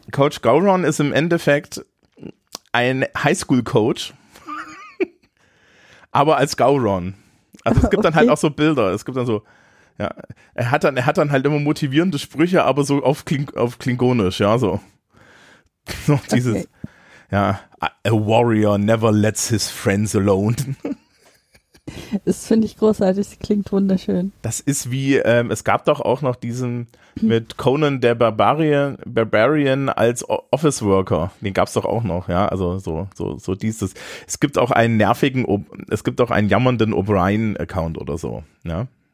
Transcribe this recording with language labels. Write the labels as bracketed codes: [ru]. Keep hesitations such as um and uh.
[de] Coach Gauron ist im Endeffekt ein Highschool-Coach, aber als Gauron. Also es gibt okay. dann halt auch so Bilder, es gibt dann so. Ja, er hat dann, er hat dann halt immer motivierende Sprüche, aber so auf, Kling auf Klingonisch, ja, so. Noch so, dieses, okay. [en] ja, a warrior never lets his friends alone. [de] das finde ich großartig, das klingt wunderschön. Das ist wie, ähm, es gab doch auch noch diesen mit Conan der Barbarian, Barbarian als o Office Worker. Den gab es doch auch noch, ja, also so, so, so dieses. Es gibt auch einen nervigen, o es gibt auch einen jammernden O'Brien-Account oder so, ja.